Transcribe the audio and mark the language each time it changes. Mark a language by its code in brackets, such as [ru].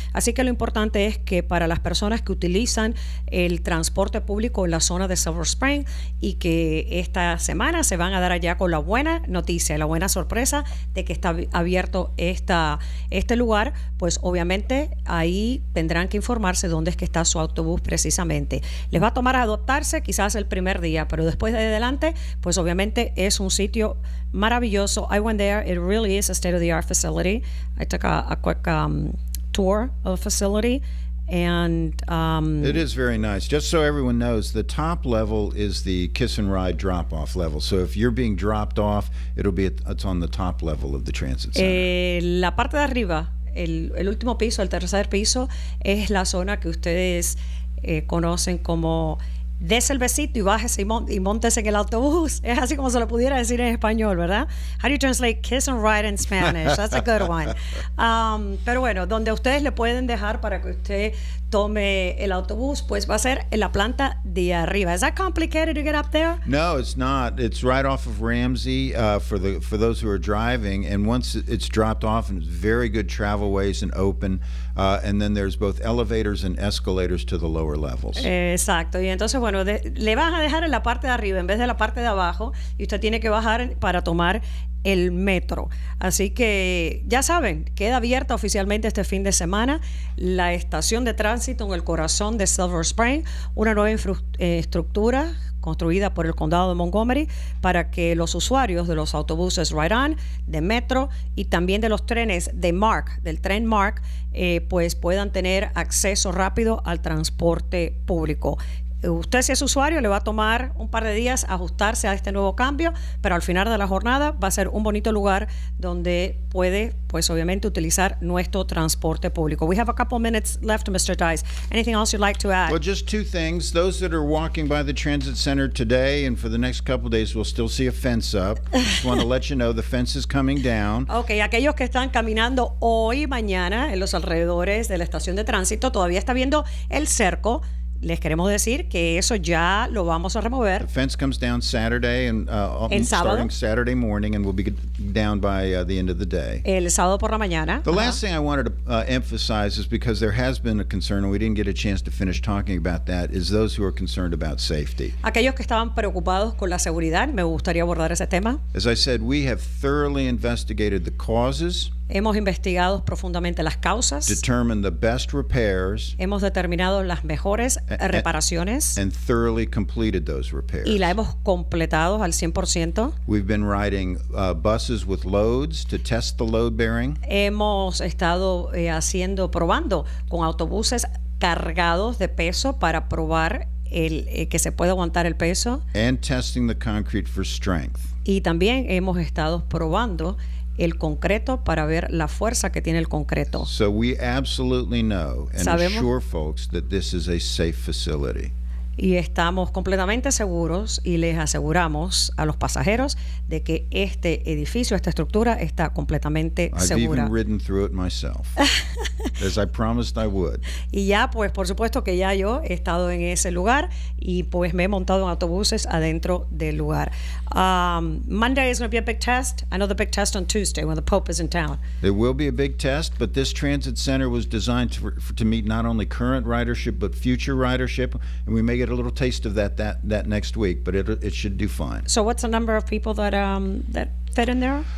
[es] Así que lo importante es que para las personas que utilizan el transporte público en la zona de Silver Spring y que esta semana se van a dar allá con la buena noticia, la buena sorpresa de que está abierto este lugar, pues obviamente ahí tendrán que informarse dónde es que está su autobús precisamente. Les va a tomar adaptarse quizás el primer día, pero después de adelante, pues obviamente es un sitio maravilloso. [en] I went there. It really is a state-of-the-art facility. I took a quick tour of the facility. And it is very nice. Just so everyone knows, the top level is the kiss and ride drop off level. So if you're being dropped off, it'll be it's on the top level of the transit center. [es] La parte de arriba, el último piso, el tercer piso, es la zona que ustedes conocen como des el besito y bajes y montes en el autobús. Es así como se lo pudiera decir en español, ¿verdad? [en] How do you translate kiss and ride in Spanish? That's a good one. [es] Pero bueno, donde ustedes le pueden dejar para que usted tome el autobús, pues va a ser en la planta de arriba. [en] Is that complicated to get up there? No, it's not. It's right off of Ramsey for those who are driving. And once it's dropped off, and it's very good travel ways and open. And then there's both elevators and escalators to the lower levels. [es] Exacto. Y entonces, bueno, le van a dejar en la parte de arriba en vez de la parte de abajo. Y usted tiene que bajar para tomar el metro. Así que ya saben, queda abierta oficialmente este fin de semana la estación de tránsito en el corazón de Silver Spring, una nueva estructura construida por el condado de Montgomery para que los usuarios de los autobuses Ride On, de Metro y también de los trenes de MARC, del tren MARC, pues puedan tener acceso rápido al transporte público. Usted, si es usuario, le va a tomar un par de días ajustarse a este nuevo cambio, pero al final de la jornada va a ser un bonito lugar donde puede, pues obviamente, utilizar nuestro transporte público. [en] We have a couple minutes left, Mr. Dice. Anything else you'd like to add? Well, just two things. Those that are walking by the transit center today and for the next couple of days will still see a fence up. Just want to let you know the fence is coming down. [es] Okay, aquellos que están caminando hoy y mañana en los alrededores de la estación de tránsito todavía está viendo el cerco. Les queremos decir que eso ya lo vamos a remover. [en] The fence comes down Saturday and starting Saturday morning and will be down by the end of the day. [es] El sábado por la mañana. [en] The last thing I wanted to emphasize is because there has been a concern and we didn't get a chance to finish talking about that is those who are concerned about safety. [es] Aquellos que estaban preocupados con la seguridad, me gustaría abordar ese tema. [en] As I said, we have thoroughly investigated the causes. [es] Hemos investigado profundamente las causas. [en] Determined the best repairs. [es] Hemos determinado las mejores reparaciones. [en] And thoroughly completed those repairs. [es] Y la hemos completado al 100%. [en] We've been riding buses with loads to test the load bearing. [es] Hemos estado probando con autobuses cargados de peso para probar que se puede aguantar el peso. [en] And testing the concrete for strength. [es] Y también hemos estado probando el concreto para ver la fuerza que tiene el concreto. [en] So we absolutely know and assure folks that this is a safe facility. [es] Y estamos completamente seguros y les aseguramos a los pasajeros de que este edificio, esta estructura está completamente segura. [en] I've even ridden through it myself, as I promised I would. [es] Y ya, pues, por supuesto que ya yo he estado en ese lugar y pues me he montado en autobuses adentro del lugar. [en] Monday is going to be a big test. I know the big test on Tuesday when the Pope is in town. It will be a big test, but this transit center was designed to meet not only current ridership but future ridership, and we may get a little taste of that next week, but it should do fine. So what's the number of people that that fit in there?